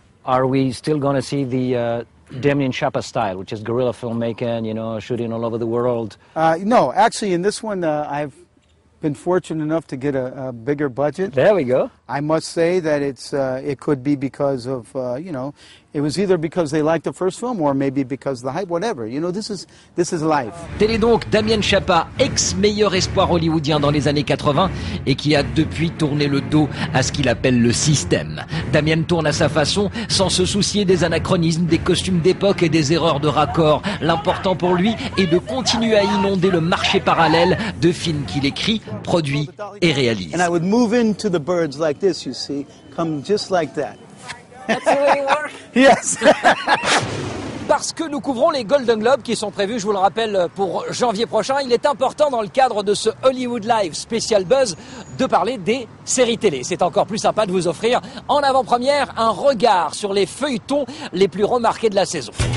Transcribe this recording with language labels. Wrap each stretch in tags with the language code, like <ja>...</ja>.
<en>Are we still going to see the Damien Chapa style, which is guerrilla filmmaking, you know, shooting all over the world? No, actually, in this one, I've been fortunate enough to get a bigger budget. There we go. I must say that it could be because of, you know, it was either because they liked the first film or maybe because of the hype, whatever. You know, this is life.</en> <fr>Tel est donc Damien Chapa, ex-meilleur espoir hollywoodien dans les années 80 et qui a depuis tourné le dos à ce qu'il appelle le système. Damien tourne à sa façon, sans se soucier des anachronismes, des costumes d'époque et des erreurs de raccord. L'important pour lui est de continuer à inonder le marché parallèle de films qu'il écrit, produit et réalise.</fr> <en>And I would move into the birds like this, you see, come just like that. That's the way you work. Yes.</en> <fr>Parce que nous couvrons les Golden Globes qui sont prévus, je vous le rappelle, pour janvier prochain, il est important dans le cadre de ce Hollywood Live spécial buzz de parler des séries télé. C'est encore plus sympa de vous offrir en avant-première un regard sur les feuilletons les plus remarqués de la saison.</fr>